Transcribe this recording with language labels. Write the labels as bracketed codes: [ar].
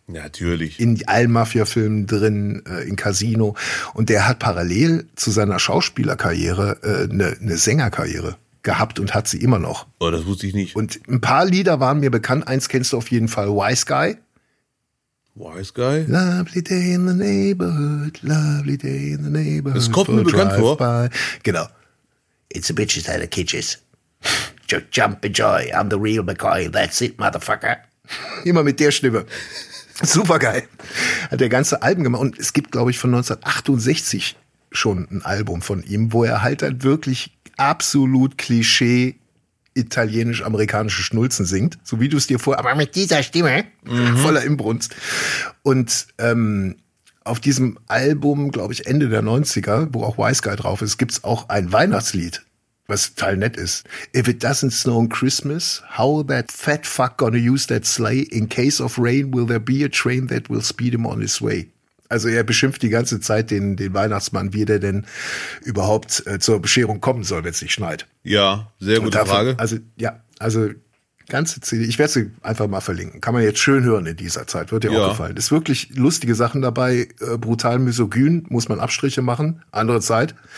[de] Ja, natürlich. In allen Mafia-Filmen drin, in Casino. Und der hat parallel zu seiner Schauspielerkarriere eine Sängerkarriere gehabt und hat sie immer noch. Oh, das wusste ich nicht. Und ein paar Lieder waren mir bekannt. Eins kennst du auf jeden Fall, Wise Guy. Wise Guy? [en] Lovely day in the neighborhood, lovely day in the neighborhood. [de] Das kommt mir bekannt vor. Genau. [en] It's a bitch inside the cages. Jump and joy, I'm the real McCoy, that's it, motherfucker. [de] Immer mit der Stimme. Super geil. Hat der ganze Album gemacht. Und es gibt, glaube ich, von 1968 schon ein Album von ihm, wo er halt dann wirklich absolut Klischee italienisch-amerikanische Schnulzen singt. So wie du es dir vorher, aber mit dieser Stimme, voller Inbrunst. Und auf diesem Album, glaube ich, Ende der 90er, wo auch Wise Guy drauf ist, gibt es auch ein Weihnachtslied, was total nett ist. [en] If it doesn't snow on Christmas, how that fat fuck gonna use that sleigh? In case of rain, will there be a train that will speed him on his way? [de] Also er beschimpft die ganze Zeit den Weihnachtsmann, wie der denn überhaupt zur Bescherung kommen soll, wenn es nicht schneit. Ja, sehr gute dafür, Frage. Also ja, also ganze CD, ich werde sie einfach mal verlinken. Kann man jetzt schön hören in dieser Zeit, wird dir auch gefallen. Ist wirklich lustige Sachen dabei, brutal misogyn, muss man Abstriche machen, andere Zeit.